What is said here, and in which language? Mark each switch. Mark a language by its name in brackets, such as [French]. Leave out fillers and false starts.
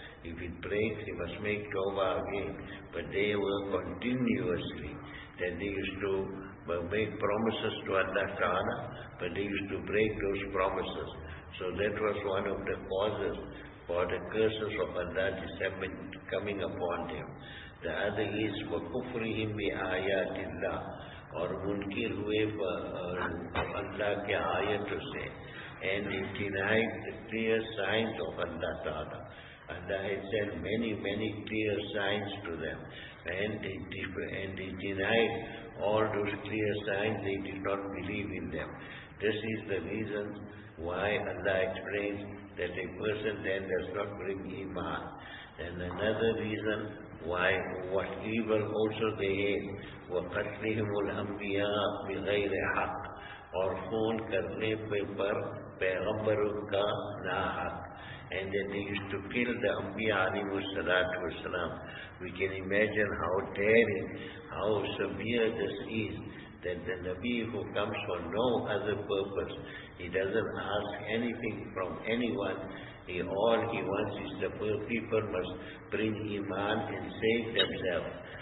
[English] If it breaks, he must make tawbah again. But they were continuously, that they used to make promises to Allah Ta'ala, but they used to break those promises. So that was one of the causes for the curses of Allah descending coming upon them. The other is [Arabic] وَكُفْرِهِمْ بِآيَاتِ اللَّهِ [Urdu] اور منکر ہوئے اللہ کے آیتوں سے. [English] And he denied the clear signs of Allah Ta'ala. Allah had sent many, many clear signs to them. And they denied all those clear signs, they did not believe in them. This is the reason why Allah explains that a person then does not bring iman. And another reason why, what evil also they hate, [Arabic] وَقَتْلِهِمُ الْأَنْبِيَاءِ بِغَيْرِ حَقِّ [Urdu] اور خون کرنے پر پیغمبروں کا ناحق. [English] And then they used to kill the Anbiya alayhi salatu wasalam. We can imagine how daring, how severe this is, that the Nabi who comes for no other purpose, he doesn't ask anything from anyone. All he wants is the poor people must bring iman and save themselves.